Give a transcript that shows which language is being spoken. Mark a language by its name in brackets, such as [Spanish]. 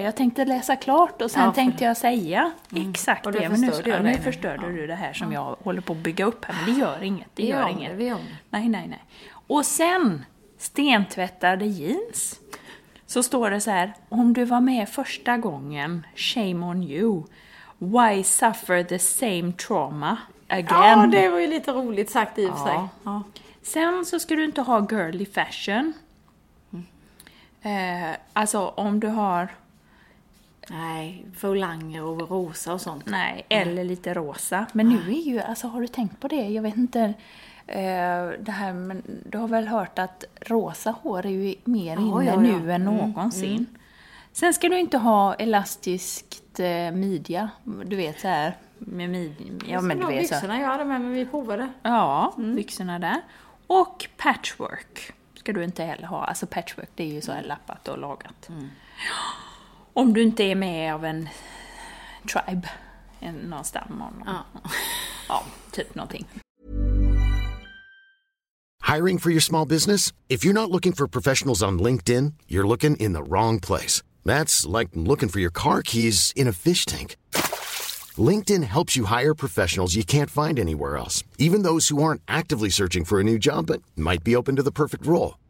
[Swedish] Jag tänkte läsa klart och sen tänkte jag säga exakt och det. Men nu förstörde du det här som jag håller på att bygga upp här. Men det gör inget. Det gör inget. Det gör inget. Nej, nej, nej. Och sen stentvättade jeans. Så står det så här, om du var med första gången, [English] shame on you. Why suffer the same trauma again? [Swedish] Ja, det var ju lite roligt sagt i och sig. Sen så ska du inte ha girly fashion. Alltså om du har... Nej, volanger och rosa och sånt. Nej, eller lite rosa. Men nu är ju, alltså har du tänkt på det? Jag vet inte... det här, men du har väl hört att rosa hår är ju mer nu än någonsin. Mm. Sen ska du inte ha elastiskt midja, du vet så här med ja, men du vet så. Byxorna jag hade med, men vi provade. Ja, byxorna där. Och patchwork ska du inte heller ha. Alltså patchwork, det är ju så här lappat och lagat. Mm. Om du inte är med av en tribe, någon stamma. Ja, typ någonting. [English] Hiring for your small business? If you're not looking for professionals on LinkedIn, you're looking in the wrong place. That's like looking for your car keys in a fish tank. LinkedIn helps you hire professionals you can't find anywhere else, even those who aren't actively searching for a new job but might be open to the perfect role.